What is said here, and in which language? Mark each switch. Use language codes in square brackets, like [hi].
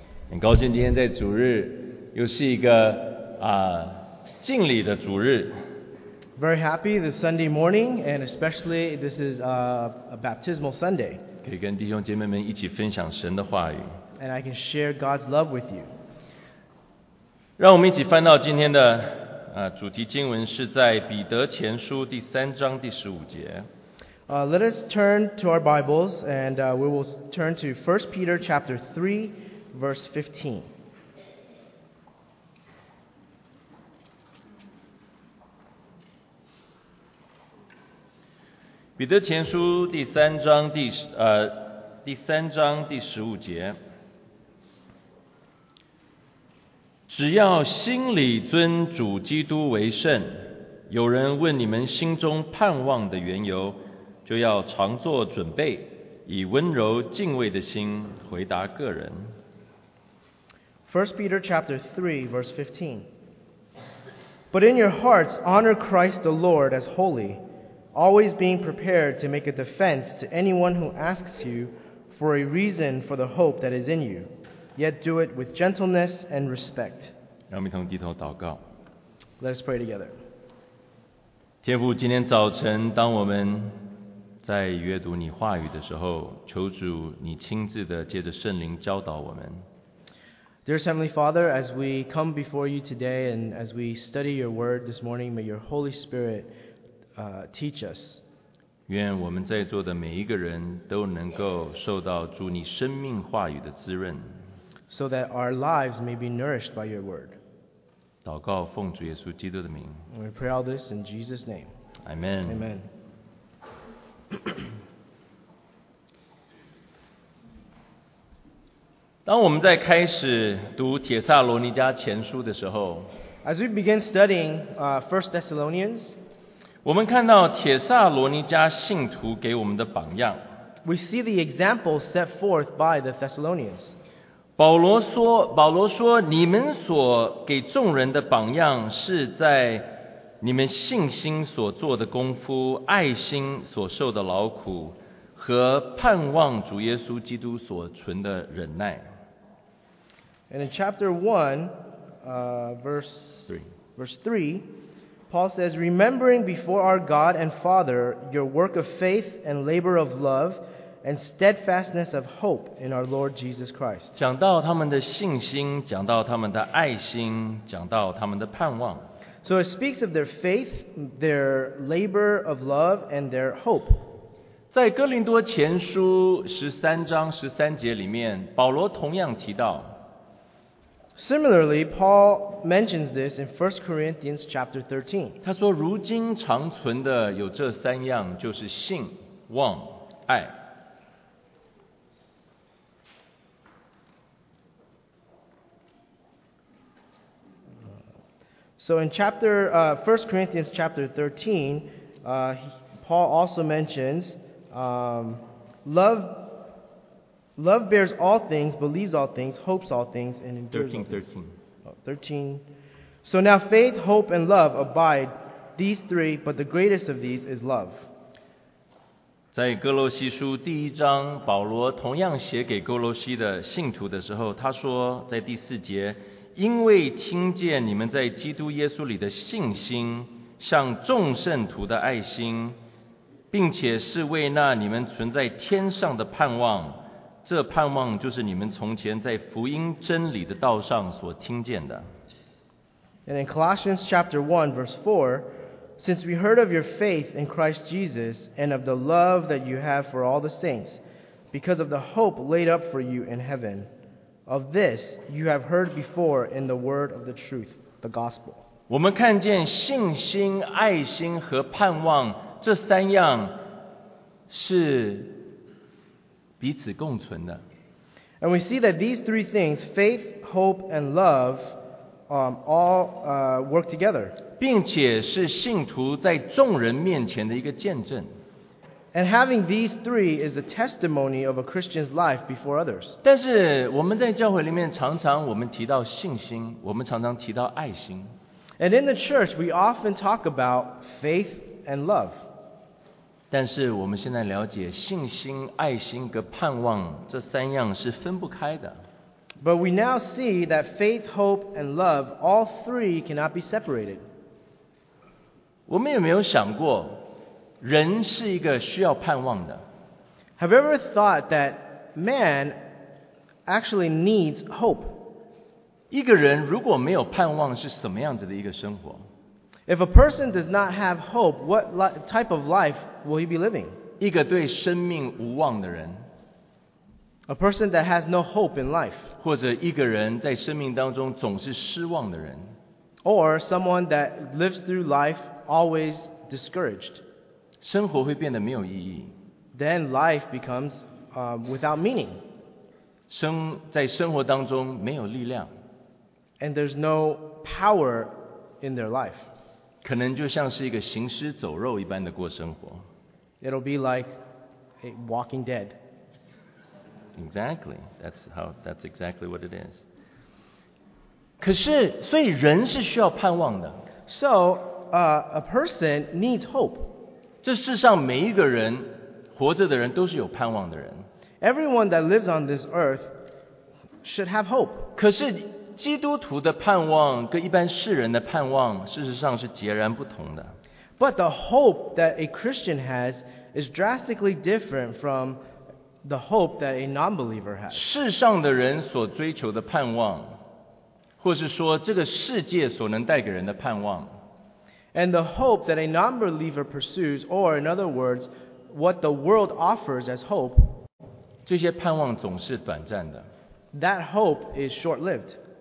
[zh] 很高兴今天在主日又是一个敬礼的主日。 [en] Very happy this Sunday morning, and especially this is a baptismal Sunday. [zh] 可以跟弟兄姐妹们一起分享神的话语。 [en] And I can share God's love with you. [zh] 让我们一起翻到今天的主题经文是在彼得前书第三章第十五节。 [en] Let us turn to our Bibles, and we will turn to 1 Peter chapter 3, verse 15. [zh] 彼得前书第三章第第三章第十五节，只要心里尊主基督为圣，有人问你们心中盼望的缘由，就要常做准备，以温柔敬畏的心回答个人。 [en] 1 Peter chapter 3 verse 15. But in your hearts honor Christ the Lord as holy, always being prepared to make a defense to anyone who asks you for a reason for the hope that is in you, yet do it with gentleness and respect. [zh] 让我们一同低头祷告。 [en] Let us pray together. [zh] 天父，今天早晨当我们在阅读你话语的时候，求主你亲自的借着圣灵教导我们。 [en] Dear Heavenly Father, as we come before you today and as we study your word this morning, may your Holy Spirit teach us. [zh] 愿我们在座的每一个人都能够受到主你生命话语的滋润。 [en] So that our lives may be nourished by your word. [zh] 祷告奉主耶稣基督的名。 [en] We pray all this in Jesus' name. Amen. Amen. [zh] 当我们在开始读《帖撒罗尼迦前书》的时候 [en] ，As we begin studying First Thessalonians， [zh] 我们看到帖撒罗尼迦信徒给我们的榜样。 [en] We see the example set forth by the Thessalonians。 [zh] 保罗说：“你们所给众人的榜样是在。” 你们信心所做的功夫，爱心所受的劳苦，和盼望主耶稣基督所存的忍耐。 [en] And in chapter 1, verse 3, Paul says, Remembering before our God and Father your work of faith and labor of love and steadfastness of hope in our Lord Jesus Christ. [zh] 讲到他们的信心，讲到他们的爱心，讲到他们的盼望。 [en] So it speaks of their faith, their labor of love, and their hope. [zh] 在哥林多前书十三章十三节里面，保罗同样提到。 [en] Similarly, Paul mentions this in 1 Corinthians chapter 13. [zh] 他说，如今常存的有这三样，就是信、望、爱。 [en] So in chapter 1 Corinthians chapter 13, Paul also mentions love bears all things, believes all things, hopes all things, and endures all things. 13. So now faith, hope, and love abide these three, but the greatest of these is love. [zh] 在哥罗西书第一章，保罗同样写给哥罗西的信徒的时候，他说在第四节。因为听见你们在基督耶稣里的信心，像众圣徒的爱心，并且是为那你们存在天上的盼望，这盼望就是你们从前在福音真理的道上所听见的。 [en] And in Colossians chapter 1 verse 4, Since we heard of your faith in Christ Jesus and of the love that you have for all the saints, because of the hope laid up for you in heaven, Of this you have heard before in the word of the truth, the gospel. [zh] 我们看见信心、爱心和盼望这三样是彼此共存的。 [en] And we see that these three things, faith, hope, and love, work together. [zh] 并且是信徒在众人面前的一个见证。 [en] And having these three is the testimony of a Christian's life before others. [zh] 但是我们在教会里面常常我们提到信心，我们常常提到爱心。 [en] And in the church, we often talk about faith and love. [zh] 但是我们现在了解信心、爱心和盼望这三样是分不开的。 [en] But we now see that faith, hope, and love, all three cannot be separated. [zh] 我们有没有想过，人是一个需要盼望的？ [en] Have you ever thought that man actually needs hope? [zh] 一个人如果没有盼望，是什么样子的一个生活？ [en] If a person does not have hope, what type of life will he be living? [zh] 一个对生命无望的人。 [en] A person that has no hope in life. [zh] 或者一个人在生命当中总是失望的人。 [en] Or someone that lives through life always discouraged. [zh] 生活会变得没有意义。 [en] Then life becomes without meaning. [zh] 在生活当中没有力量。 [en] And there's no power in their life. [zh] 可能就像是一个行尸走肉一般的过生活。 [en] It'll be like a walking dead. Exactly. That's exactly what it is. [zh] 可是，所以人是需要盼望的。 [en] So, a person needs hope. [zh] 这世上每一个人活着的人都是有盼望的人。 [en] Everyone that lives on this earth should have hope. [zh] 可是基督徒的盼望跟一般世人的盼望事实上是截然不同的。 [en] But the hope that a Christian has is drastically different from the hope that a non-believer has. [zh] 世上的人所追求的盼望，或是说这个世界所能带给人的盼望。 [en] And the hope that a non-believer pursues, or in other words, what the world offers as hope, [zh] 这些盼望总是短暂的。 [en] That hope is short-lived.